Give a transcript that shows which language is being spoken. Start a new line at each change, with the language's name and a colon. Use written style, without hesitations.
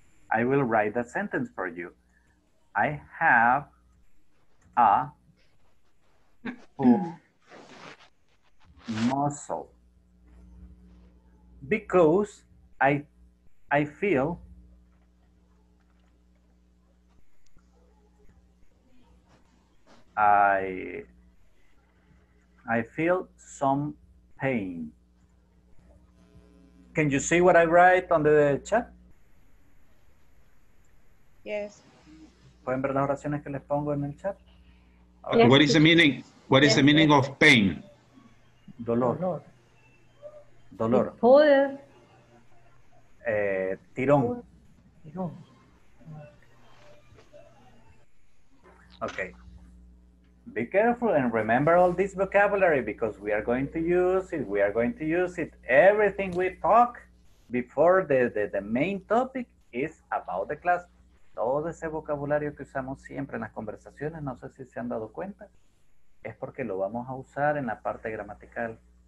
English: I will write that sentence for you. I have a pull muscle because I feel I feel some pain can you see what I write on the chat? Yes.
Spanish: ¿Pueden ver las oraciones que les pongo en el chat?
English: Okay. What is the meaning? What is the meaning of pain?
Spanish: Dolor. Dolor. Poder. Tirón. Tirón.
English: Okay. Be careful and remember all this vocabulary because we are going to use it. We are going to use it. Everything we talk before the main topic is about the class.
Spanish: Todo ese vocabulario que usamos siempre en las conversaciones, no sé si se han dado cuenta, es porque lo vamos a usar en la parte gramatical.